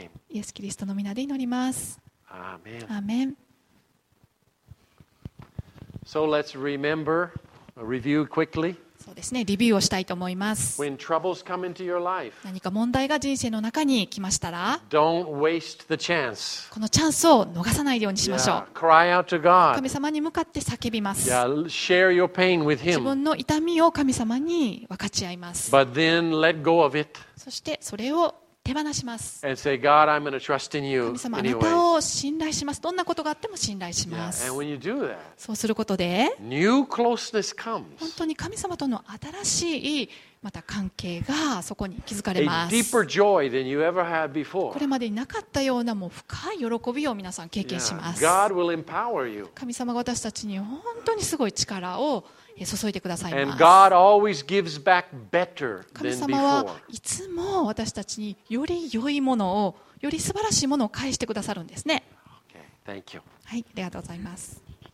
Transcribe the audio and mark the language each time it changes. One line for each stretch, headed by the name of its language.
Japanese: イエス・キリストの御名で祈ります。アーメン。
English: So let's remember, review quickly.
Japanese: そうですね、リビューをしたいと思います。
English: When troubles come into your life,
Japanese: 何か問題が人生の中に来ましたら、
English: Don't waste the chance.
Japanese: このチャンスを逃さないようにしましょう。
English: Yeah, cry out to God.
Japanese: 神様に向かって叫びます。
English: Yeah, share your pain with him.
Japanese: 自分の痛みを神様に分かち合います。
English: But then let go of it.
Japanese: そしてそれを手放します。
English: And say, God, I'm going to trust in you.
Japanese: 神様、あなたを信頼します。どんなことがあっても信頼します。
English: Yeah, and when you do that,
Japanese: そうすることで
English: new closeness comes.
Japanese: 本当に神様との新しいまた関係がそこに築かれます。
English: A deeper joy than you ever had before.
Japanese: これまでになかったようなもう深い喜びを皆さん経験します。
English: Yeah, God will empower you.
Japanese: 神様が私たちに本当にすごい力を注いでくださいます。
English: And God always gives back better than before.
Japanese: 神様はいつも私たちにより良いものを、より素晴らしいものを返してくださるんですね。
English: Okay, thank you.
Japanese: はい、ありがとうございます。